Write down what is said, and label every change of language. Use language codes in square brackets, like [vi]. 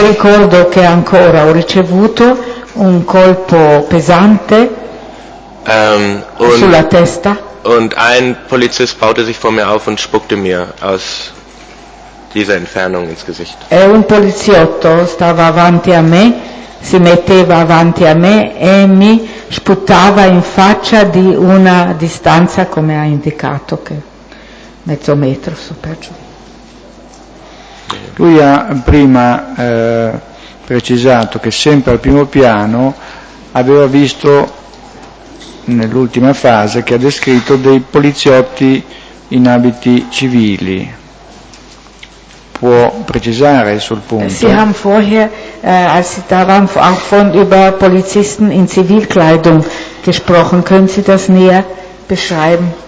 [it] Mi ricordo che ancora ho ricevuto un colpo pesante sulla testa. [de] Und ein Polizist baute sich vor mir auf und spuckte mir aus dieser Entfernung ins Gesicht. [it] E un poliziotto stava avanti a me, si metteva avanti a me e mi sputava in faccia di una distanza, come ha indicato, che mezzo metro su per giù. Lui ha prima precisato che sempre al primo piano aveva visto, nell'ultima fase che ha descritto, dei poliziotti in abiti civili. Può precisare sul punto? [de] Sie haben vorher, als Sie da waren, auch von über Polizisten in Zivilkleidung gesprochen. Können Sie das näher beschreiben?